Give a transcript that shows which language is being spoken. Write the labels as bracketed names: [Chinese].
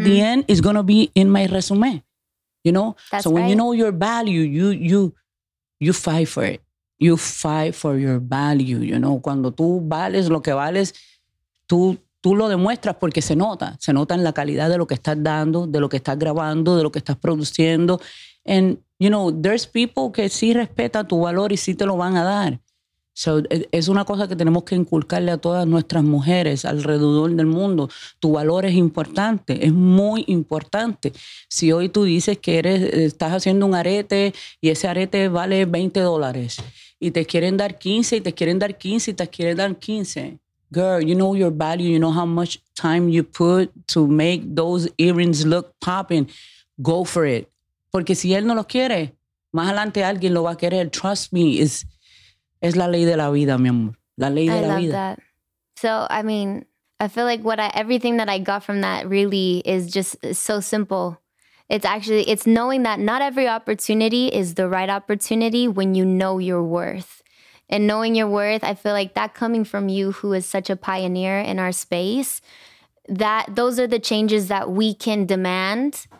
[English] at the end, it's gonna be in my resume. You know? That's so when right. you know your value, you fight for it. You fight for your value, you know. [Spanish] Cuando tú vales lo que vales, tú lo demuestras porque se nota. Se nota en la calidad de lo que estás dando, de lo que estás grabando, de lo que estás produciendo. [English] And, you know, there's people [Spanish] que sí respetan tu valor y sí te lo van a dar. So, es una cosa que tenemos que inculcarle a todas nuestras mujeres alrededor del mundo. Tu valor es importante, es muy importante. Si hoy tú dices que estás haciendo un arete y ese arete vale $20 y te quieren dar 15 y te quieren dar 15 y te quieren dar 15. [English] Girl, you know your value, you know how much time you put to make those earrings look popping. Go for it. [Spanish] Porque si él no los quiere, más adelante alguien lo va a querer. [English] Trust me, [Spanish] es la ley de la vida, mi amor. La ley de la vida. [English] I love that. So, I mean, I feel like everything that I got from that really is just so simple. It's knowing that not every opportunity is the right opportunity when you know your worth. And knowing your worth, I feel like that coming from you, who is such a pioneer in our space, that those are the changes that we can demand.